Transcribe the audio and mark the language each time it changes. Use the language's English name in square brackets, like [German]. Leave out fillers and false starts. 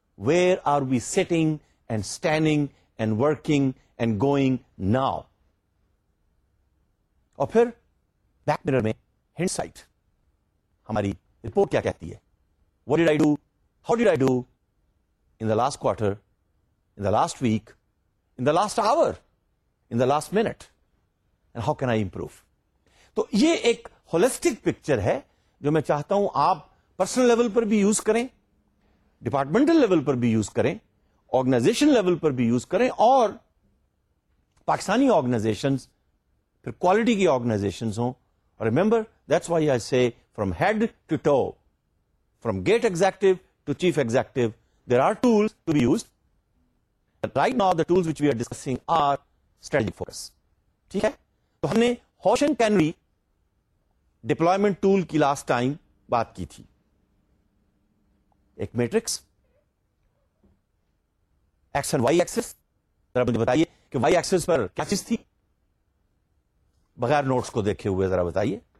[English] Where are we sitting and standing and working and going now? [Urdu] اور پھر [English] back mirror میں hindsight, [Urdu] ہماری report کیا کہتی ہے، [English] What did I do, how did I do in the last quarter, in the last week, in the last hour, in the last minute, and how can I improve. [Urdu] تو یہ ایک holistic picture ہے جو میں چاہتا ہوں آپ personal level پر بھی یوز کریں، ڈپارٹمنٹل لیول پر بھی یوز کریں، آرگنائزیشن لیول پر بھی یوز کریں، اور پاکستانی آرگنائزیشنز پھر کوالٹی کی آرگنائزیشنز ہوں. [English] Remember that's why I say from head to toe, from gate executive to chief executive, there are tools to be used. Right now the tools which we are discussing are strategic focus. [Urdu] ٹھیک ہے، تو ہم نے ہوشن کینری deployment tool کی last time بات کی تھی، ایک matrix x and Y Axis. ذرا مجھے بتائیے کہ وائی ایکسس پر کیا چیز تھی، بغیر نوٹس کو دیکھے ہوئے ذرا بتائیے.